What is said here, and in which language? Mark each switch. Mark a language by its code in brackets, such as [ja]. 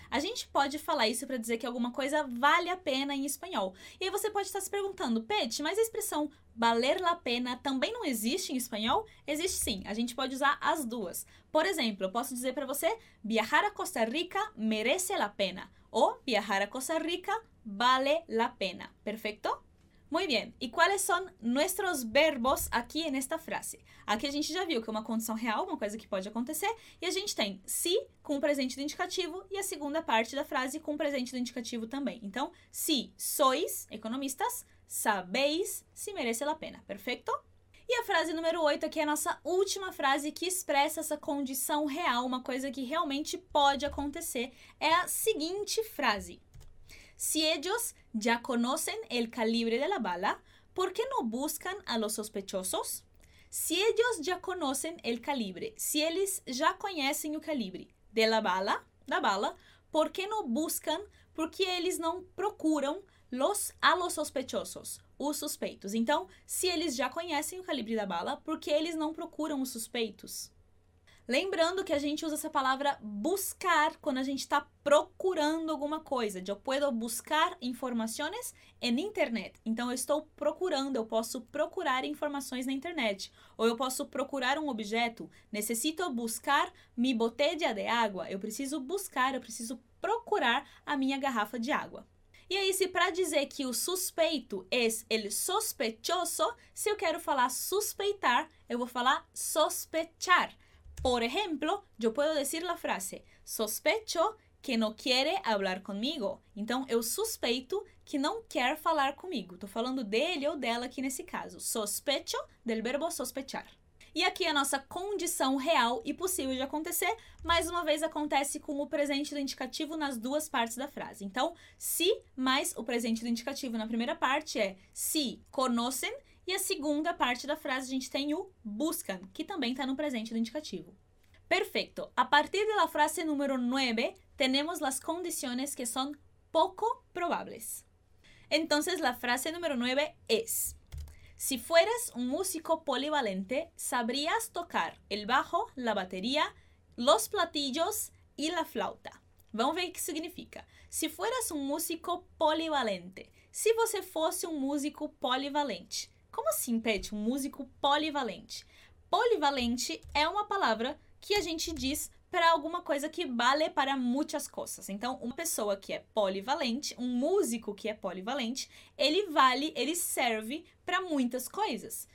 [pt] A gente pode falar isso para dizer que alguma coisa vale a pena em espanhol. E aí você pode estar se perguntando, Pet, mas a expressão [es] valer la pena [pt] também não existe em espanhol? Existe sim, a gente pode usar as duas. Por exemplo, eu posso dizer para você, [es] viajar a Costa Rica merece la pena. Ou viajar a Costa Rica vale la pena. [pt] Perfeito? [es] Muy bien, ¿y cuáles son nuestros verbos aquí en esta frase? [pt] Aquí a gente já viu que é uma condição real, uma coisa que pode acontecer, e a gente tem si com o presente do indicativo e a segunda parte da frase com o presente do indicativo também. Então, [es] si sois economistas, sabéis se merece la pena, perfeito? [pt] E a frase número 8 aqui é a nossa última frase que expressa essa condição real, uma coisa que realmente pode acontecer, é a seguinte frase. [es] Si ellos ya conocen el calibre de la bala, ¿por qué no buscan a los sospechosos? Si ellos ya conocen el calibre, si ellos ya conocen el calibre de la bala, [pt] da bala, [es] ¿por qué no buscan? Porque ellos no procuran a los sospechosos, [pt] os suspeitos. Então, [es] si ellos ya conocen el calibre de la bala, ¿por qué ellos no procuran [pt] os suspeitos? Lembrando que a gente usa essa palavra buscar quando a gente está procurando alguma coisa. Eu puedo buscar informações en internet. Então, eu estou procurando, eu posso procurar informações na internet. Ou eu posso procurar um objeto. [es] Necessito buscar mi botella de água. [pt] Eu preciso buscar, eu preciso procurar a minha garrafa de água. E aí, se para dizer que o suspeito [es] es el sospechoso, [pt] se eu quero falar suspeitar, eu vou falar sospechar. [es] Por ejemplo, yo puedo decir la frase, sospecho que no quiere hablar conmigo. [pt] Então, eu suspeito que não quer falar comigo. Estou falando dele ou dela aqui nesse caso. [es] Sospecho del verbo sospechar. [pt] E aqui a nossa condição real e possível de acontecer, mais uma vez acontece com o presente do indicativo nas duas partes da frase. Então, si mais o presente do indicativo na primeira parte é si conocen, e a segunda parte da frase a gente tem o buscan, que também está no presente do indicativo. Perfeito. A partir da frase número 9, temos as condições que são pouco prováveis. Então, a frase número 9 é: [es] si fueras un músico polivalente, sabrías tocar el bajo, la batería, los platillos y la flauta. [pt] Vamos ver o que significa. [es] Si fueras un músico polivalente. [pt] Se você fosse um músico polivalente. Como assim, Pet? Um músico polivalente? Polivalente é uma palavra que a gente diz para alguma coisa que vale para muitas coisas. Então, uma pessoa que é polivalente, um músico que é polivalente, ele vale, ele serve para muitas coisas.